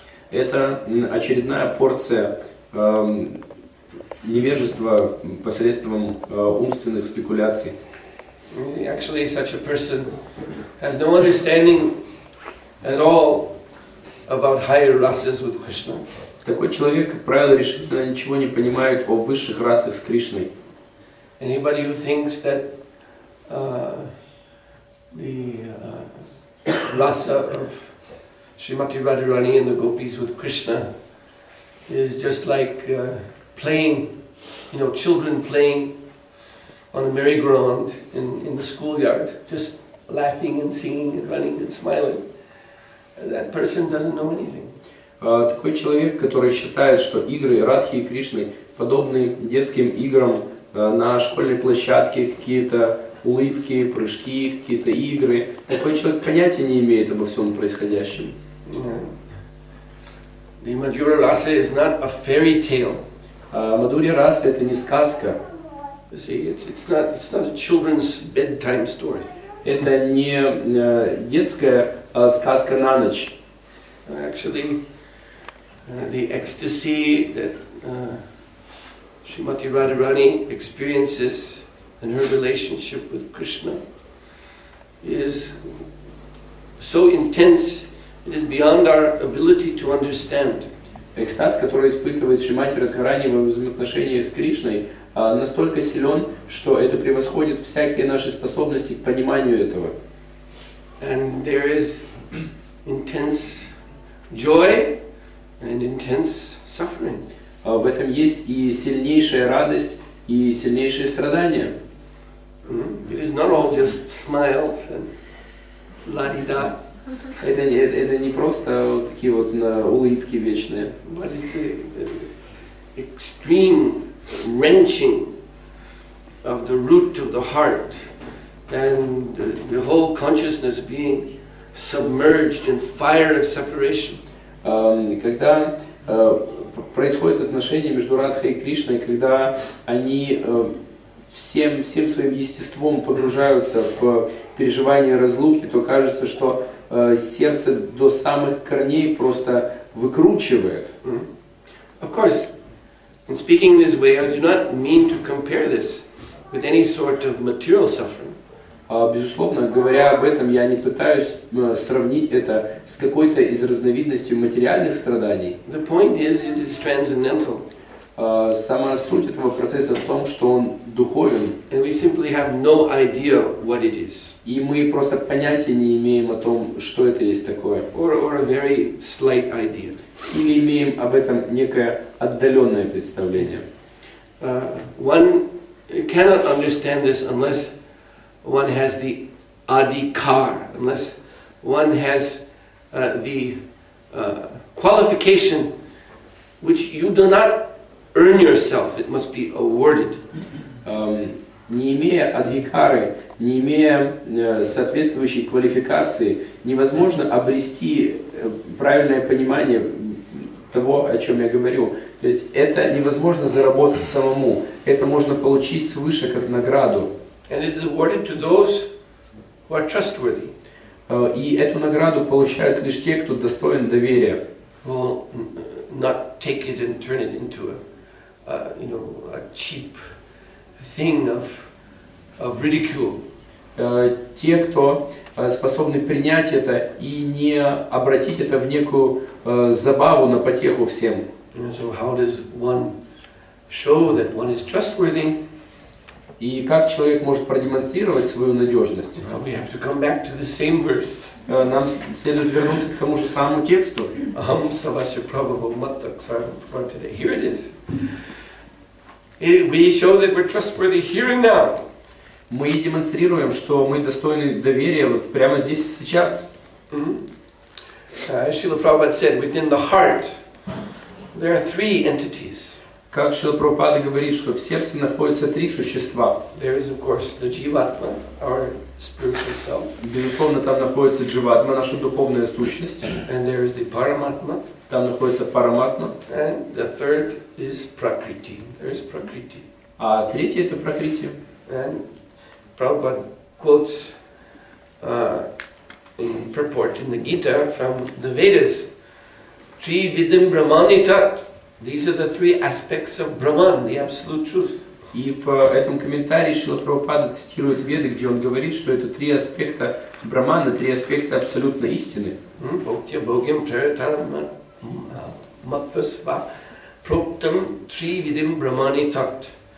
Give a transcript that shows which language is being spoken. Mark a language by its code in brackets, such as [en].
[ru] Это очередная порция невежества посредством умственных спекуляций. [en] Actually, such a person has no understanding at all about higher rasas with Krishna. [ru] Такой человек, как правило, решительно ничего не понимает о высших расах с Кришной. [en] Anybody who thinks that the rasa of Srimati Radharani and the gopis with Krishna is just like playing, you know, children playing on a merry-go-round in the schoolyard, just laughing and singing and running and smiling, that person doesn't know anything. [ru] Такой человек, который считает, что игры Радхи и Кришны подобны детским играм на школьной площадке, какие-то улыбки, прыжки, какие-то игры, такой человек понятия не имеет обо всем происходящем. [en] The Madhurya Rasa is not a fairy tale. [ru] Madhurya Rasa – это не сказка. [en] See, it's not a children's bedtime story. [ru] Это не детская сказка на ночь. [en] Actually, the ecstasy that Shrimati Radharani experiences in her relationship with Krishna is so intense, it is beyond our ability to understand. [ru] Экстаз, который испытывает Шримати Радхарани во взаимоотношении с Кришной, настолько силен, что это превосходит всякие наши способности к пониманию этого. [en] And there is intense joy and intense suffering. [ru] В этом есть и сильнейшая радость, и сильнейшие страдания. [en] It is not all just smiles and la-di-da. [ru] Это не просто вот такие вот улыбки вечные. [en] But it's an extreme wrenching of the root of the heart and the whole consciousness being submerged in fire of separation. [ru] Когда происходит отношение между Радхой и Кришной, когда они всем своим естеством погружаются в переживание разлуки, то кажется, что сердце до самых корней просто выкручивает. [en] Of course, in speaking this way, I do not mean to compare this with any sort of material suffering. [ru] Безусловно, говоря об этом, я не пытаюсь сравнить это с какой-то из разновидностей материальных страданий. [en] The point is, it is transcendental. [ru] Сама суть этого процесса в том, что он духовен. [en] And we simply have no idea what it is. [ru] И мы просто понятия не имеем о том, что это есть такое. [en] Or a very slight idea. [ru] Или имеем об этом некое отдаленное представление. [en] One cannot understand this unless one has the adhikar, unless one has the qualification which you do not earn yourself, it must be awarded. [ru] Не имея адхикары, не имея соответствующей квалификации, невозможно обрести правильное понимание того, о чем я говорю. То есть это невозможно заработать самому. Это можно получить свыше как награду. [en] And it is awarded to those who are trustworthy. [ru] И эту награду получают лишь те, кто достоин доверия. [en] Well, not take it and turn it into a cheap thing of ridicule. [ru] Те, кто способны принять это и не обратить это в некую забаву на потеху всем. [en] So how does one show that one is trustworthy? [ru] И как человек может продемонстрировать свою надежность? [en] Well, we have to come back to the same verse. [ru] Нам следует вернуться к тому же самому тексту. [sa] Aham savasya prabhavamattak sarvapartide. [en] Here it is. We show that we're trustworthy here and now. [ru] Мы демонстрируем, что мы достойны доверия вот прямо здесь и сейчас. [en] As Srila Prabhupada said, within the heart there are three entities. [ru] Как Шрила Прабхупада говорит, что в сердце находятся три существа. [en] There is, of course, the jivatma, our spiritual self. [ru] Безусловно, там находится дживатма, наша духовная сущность. [en] And there is the параматма. [ru] Там находится параматма. [en] And the third is пракрити. There is пракрити. [ru] А третье это пракрити. [en] And Prabhupada quotes in purport in the Gita from the Vedas, [sa] tri vidim brahmanitat. [en] These are the three aspects of Brahman, the absolute truth. [ru] И в этом комментарии Шрила Прабхупада цитирует Веды, где он говорит, что это три аспекта Брахмана, три аспекта абсолютной истины. [sa] Bhakti bhogim praritaram matvasva proptam tri vidim brahmanitat.